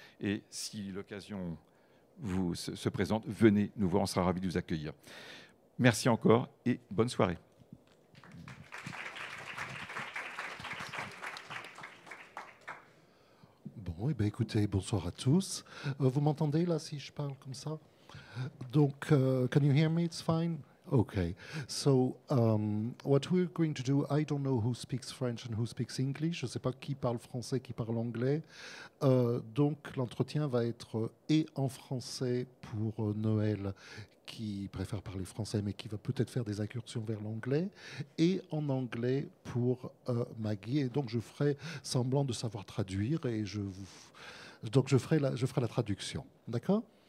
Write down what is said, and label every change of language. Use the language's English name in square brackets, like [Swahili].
[French] Et si l'occasion vous se présente, venez nous voir. On sera ravis de vous accueillir. Merci encore et bonne soirée. Bon, et bien écoutez, bonsoir à tous. Vous m'entendez là si je parle comme ça? Donc, [English] can you hear me? It's fine. Okay. So, what we're going to do, I don't know who speaks French and who speaks English. [French] Je ne sais pas qui parle français, qui parle anglais. Donc, l'entretien va être et en français pour Noël, qui préfère parler français, mais qui va peut-être faire des incursions vers l'anglais, et en anglais pour Maggie. Et donc, je ferai semblant de savoir traduire et je ferai la traduction. D'accord?